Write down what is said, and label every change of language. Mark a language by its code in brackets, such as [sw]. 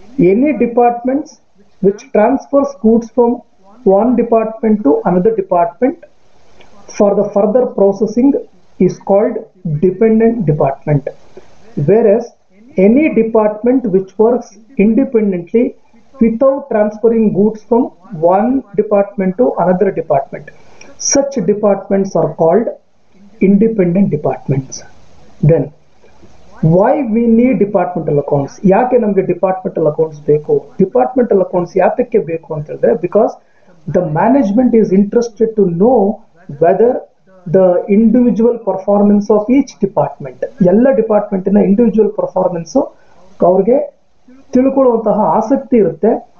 [en] Any departments which transfers goods from one department to another department for the further processing is called dependent department. Whereas any department which works independently without transferring goods from one department to another department, Such departments are called independent departments. Then, why we need departmental accounts? [kn] ಯಾಕೆ ನಮಗೆ departmental accounts ಬೇಕು? Departmental accounts ಯಾತಕ್ಕೆ ಬೇಕು ಅಂತ ಹೇಳಿದ್ರೆ, [en] because the management is interested to know whether the individual performance of each department, [kn] ಎಲ್ಲ ಡಿಪಾರ್ಟ್ಮೆಂಟ್ನ individual performance ಅವ್ರಿಗೆ ತಿಳ್ಕೊಳ್ಳುವಂತಹ ಆಸಕ್ತಿ ಇರುತ್ತೆ.